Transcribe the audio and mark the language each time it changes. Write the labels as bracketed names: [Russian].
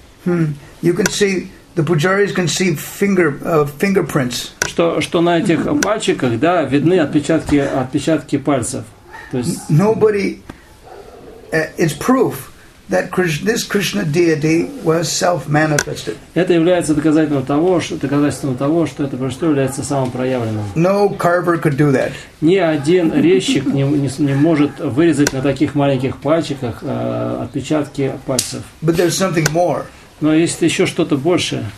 [English] You can see the pujaris can see fingerprints. [Russian] Что на этих пальчиках, да, видны отпечатки пальцев. То есть [English] nobody, it's proof that this Krishna deity was self-manifested. [Russian] Это является доказательством того, что это божество является самопроявленным. [English] No carver could do that. [Russian] Ни один резчик не может вырезать на таких маленьких пальчиках отпечатки пальцев. [English] But there's something more. [Russian] Но есть еще что-то большее.